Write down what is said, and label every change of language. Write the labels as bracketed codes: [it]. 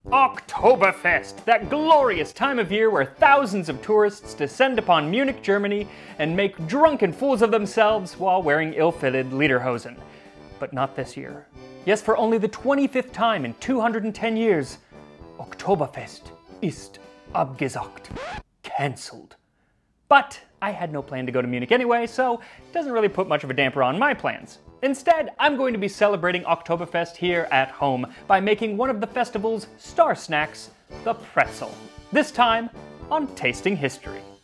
[en] Oktoberfest, that glorious time of year where thousands of tourists descend upon Munich, Germany, and make drunken fools of themselves while wearing ill-fitted lederhosen. But not this year. Yes, for only the 25th time in 210 years, Oktoberfest [de] ist abgesagt. [en] Cancelled. But I had no plan to go to Munich anyway, so it doesn't really put much of a damper on my plans. Instead, I'm going to be celebrating Oktoberfest here at home by making one of the festival's star snacks, the pretzel. This time, on Tasting History.